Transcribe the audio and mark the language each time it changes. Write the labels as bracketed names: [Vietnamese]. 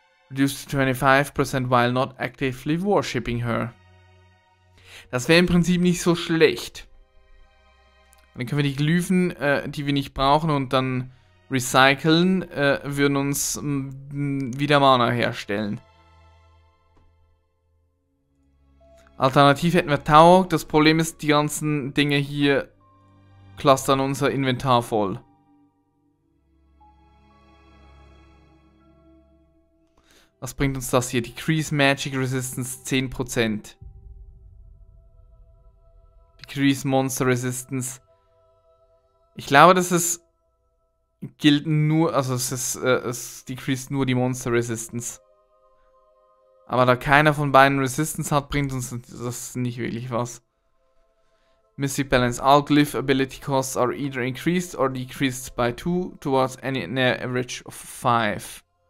[English] Reduced to 25% while not actively worshipping her. [German] Das wäre im Prinzip nicht so schlecht. Dann können wir die Glyphen, die wir nicht brauchen und dann recyceln, würden uns wieder Mana herstellen. Alternativ hätten wir Tauok. Das Problem ist, die ganzen Dinge hier clustern unser Inventar voll. Was bringt uns das hier? [English] Decrease Magic Resistance 10%. Decrease Monster Resistance. [German] Ich glaube, das ist... gilt nur... also es ist... es decrease nur die Monster Resistance. Aber da keiner von beiden Resistance hat, bringt uns das nicht wirklich was. [English] Mystic Balance. All Glyph Ability Costs are either increased or decreased by 2 towards any near average of 5.